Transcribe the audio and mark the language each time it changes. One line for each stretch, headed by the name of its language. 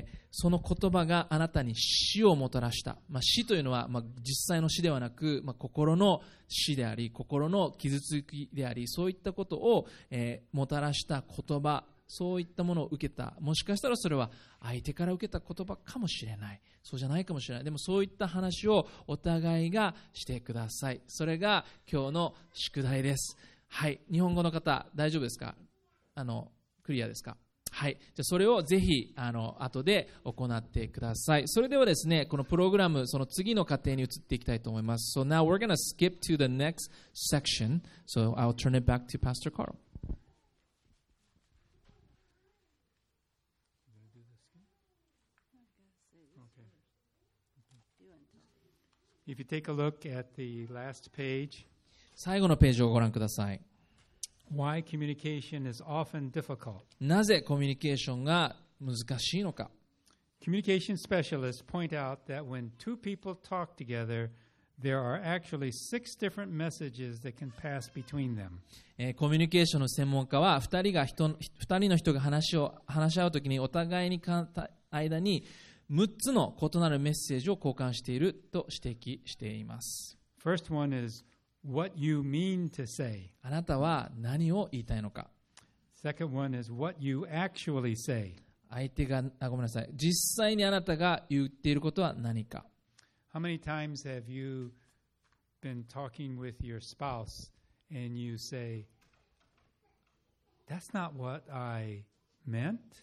Japanese: その言葉があなたに死をもたらした、まあ、死というのは、まあ、実際の死ではなく、まあ、心の死であり、心の傷つきであり、そういったことを、もたらした言葉、そういったものを受けた、もしかしたらそれは相手から受けた言葉かもしれない、そうじゃないかもしれない、でもそういった話をお互いがしてください。それが今日の宿題です。はい、日本語の方大丈夫ですか、クリアですか。はい、じゃあそれをぜひ後で行ってください。それではですね、このプログラム、その次の過程に移っていきたいと思います。
English: So now we're going to skip to the next section. So I'll turn it back to Pastor Carl. If you take a look at the last page,
Japanese: 最後のページをご覧ください。
English: Why communication is often difficult.
Japanese: なぜコミュニケーションが難しいのか。
English: Communication specialists point out that when two people talk together, there are actually six different messages that can pass between them.
Japanese: コミュニケーションの専門家は、二人の人が話し合うときに、お互いに間に6つの異なるメッセージを交換していると指摘しています。
English: First one is,What you mean to say.
Japanese: あなたは何を言いたいのか。
English: Second one is what you actually say.
Japanese: 相手が、ごめんなさい。実際にあなたが言っていることは何か。
English: How many times have you been talking with your spouse and you say, That's not what I meant?